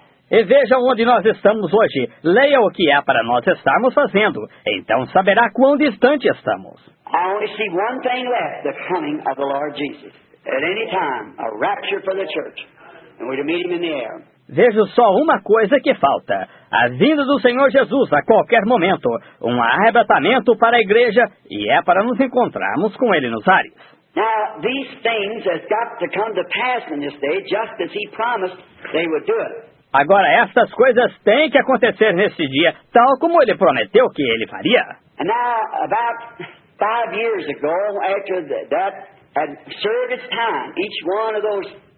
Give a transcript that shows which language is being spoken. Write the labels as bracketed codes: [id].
[pt] E veja onde nós estamos hoje. Leia o que é para nós estarmos fazendo. Então saberá quão distante estamos. [en] I only see one thing left, the coming of the Lord Jesus. At any time, a rapture for the church, and we're to meet him in the air. [pt] Vejo só uma coisa que falta. A vinda do Senhor Jesus a qualquer momento. Um arrebatamento para a igreja, e é para nos encontrarmos com ele nos ares. [en] Now, these things have got to come to pass in this day, just as he promised they would do it. [pt] Agora, estas coisas têm que acontecer nesse dia, tal como ele prometeu que ele faria. [en] And now, about 5 years ago, after that had served its time, each one of those